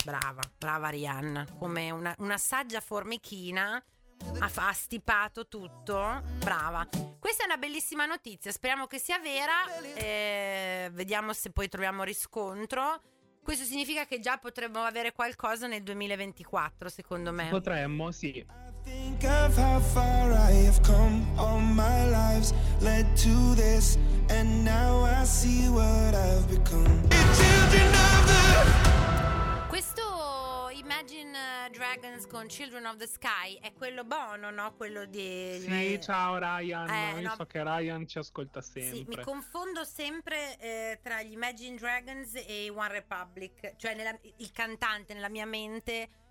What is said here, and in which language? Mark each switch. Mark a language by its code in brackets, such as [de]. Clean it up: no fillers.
[it] Brava, brava Rihanna, come una saggia formichina ha stipato tutto, brava. Questa è una bellissima notizia, speriamo che sia vera, vediamo se poi troviamo riscontro. Questo significa che già potremmo avere qualcosa nel 2024, secondo me. Potremmo, sì. [en] Think of how far I have come, all my lives led to this, and now I see what I've become. It's Children of the... [it] Questo Imagine Dragons con Children of the Sky è quello buono, no? Quello di... Sì, ciao Ryan, io so che Ryan ci ascolta sempre. Sì, mi confondo sempre tra gli Imagine Dragons e One Republic, cioè il cantante nella mia mente...